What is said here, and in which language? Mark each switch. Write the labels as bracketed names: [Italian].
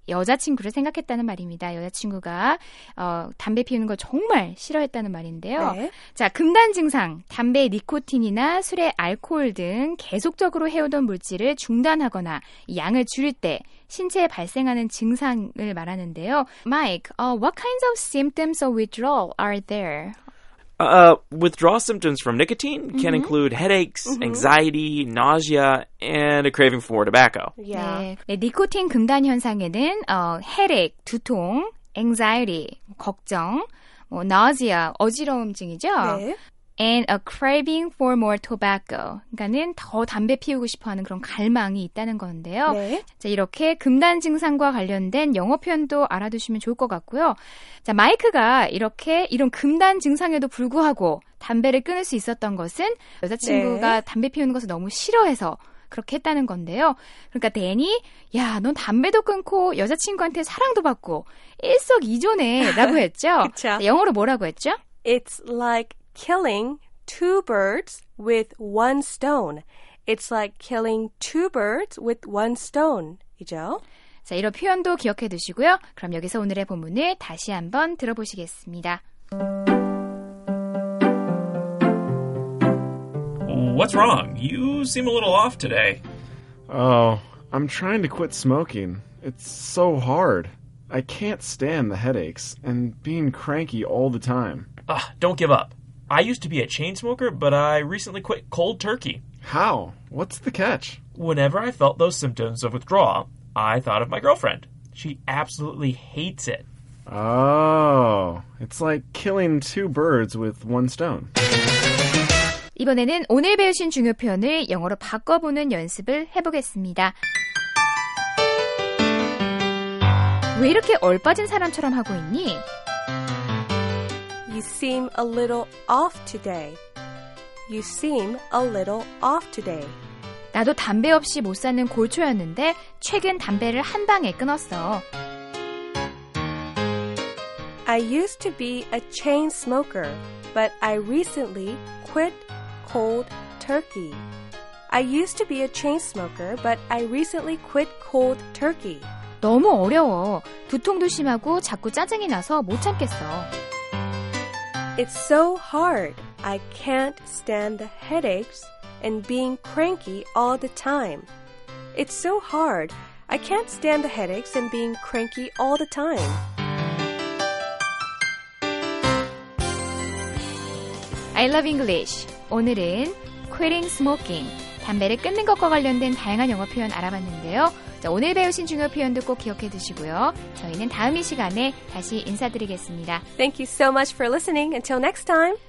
[Korean] 여자친구를 생각했다는 말입니다. 여자친구가 담배 피우는 걸 정말 싫어했다는 말인데요. 네. 자, 금단 증상, 담배 니코틴이나 술의 알코올 등 계속적으로 해오던 물질을 중단하거나 양을 줄일 때 신체에 발생하는 증상을 말하는데요. [English] Mike, what kinds of symptoms of withdrawal are there? Withdrawal symptoms from nicotine can mm-hmm. include headaches, mm-hmm. anxiety, nausea, and a craving for more tobacco. Yeah. [Korean] 네, 니코틴 금단 현상에는 headache, 두통, anxiety, 걱정, 뭐, nausea, 어지러움증이죠. 네. [English] And a craving for more tobacco. [Korean] 그러니까는 더 담배 피우고 싶어하는 그런 갈망이 있다는 건데요. 네. 자, 이렇게 금단 증상과 관련된 영어 표현도 알아두시면 좋을 것 같고요. 자, 마이크가 이렇게 이런 금단 증상에도 불구하고 담배를 끊을 수 있었던 것은 여자친구가 네. 담배 피우는 것을 너무 싫어해서 그렇게 했다는 건데요. 그러니까 댄이 야, 넌 담배도 끊고 여자친구한테 사랑도 받고 일석이조네 라고 했죠. 그쵸. 영어로 뭐라고 했죠? [English] It's like killing two birds with one stone. It's like killing two birds with one stone. [Korean] 이죠? 자, 이런 표현도 기억해 두시고요. 그럼 여기서 오늘의 본문을 다시 한번 들어보시겠습니다. [English] What's wrong? You seem a little off today. Oh, I'm trying to quit smoking. It's so hard. I can't stand the headaches and being cranky all the time. Ah, don't give up. I used to be a chain smoker, but I recently quit cold turkey. How? What's the catch? Whenever I felt those symptoms of withdrawal, I thought of my girlfriend. She absolutely hates it. Oh, it's like killing two birds with one stone. [Korean] 이번에는 오늘 배우신 중요 표현을 영어로 바꿔보는 연습을 해보겠습니다. 왜 이렇게 얼빠진 사람처럼 하고 있니? [English] You seem a little off today. You seem a little off today. [Korean] 나도 담배 없이 못 사는 골초였는데 최근 담배를 한 방에 끊었어. [English] I used to be a chain smoker, but I recently quit cold turkey. I used to be a chain smoker, but I recently quit cold turkey. [Korean] 너무 어려워. 두통도 심하고 자꾸 짜증이 나서 못 참겠어. [English] It's so hard. I can't stand the headaches and being cranky all the time. It's so hard. I can't stand the headaches and being cranky all the time. I love English. [Korean] 오늘은 quitting smoking, 담배를 끊는 것과 관련된 다양한 영어 표현 알아봤는데요. 자, 오늘 배우신 중요 표현도 꼭 기억해 두시고요. 저희는 다음 이 시간에 다시 인사드리겠습니다. [English] Thank you so much for listening. Until next time.